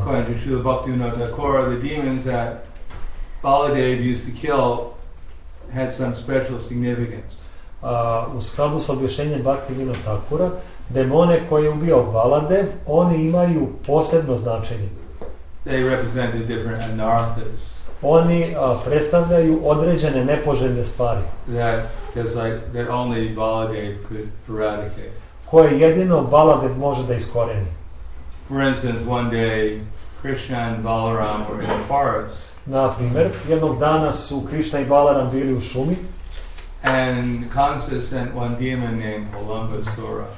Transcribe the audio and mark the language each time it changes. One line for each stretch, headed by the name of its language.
English: According to Srila Bhaktivinoda Thakura, the demons that Baladev used to kill had some special significance.
Serbian: U skladu sa objašnjenjem Bhaktivinoda Thakura, demone koje je ubio Baladev, oni imaju posebno značenje.
English: They represent the different anarthas.
Serbian: Oni predstavljaju određene nepoželjne stvari.
English: That only Baladev could eradicate.
Serbian: Koje jedino Baladev može da iskoreni.
English: For instance, one day Krishna and Balaram were in the forest.
Serbian: Na primjer, jednog dana su Krishna i Balaram bili u šumi.
English: And Kamsa sent one demon named Pralambasura.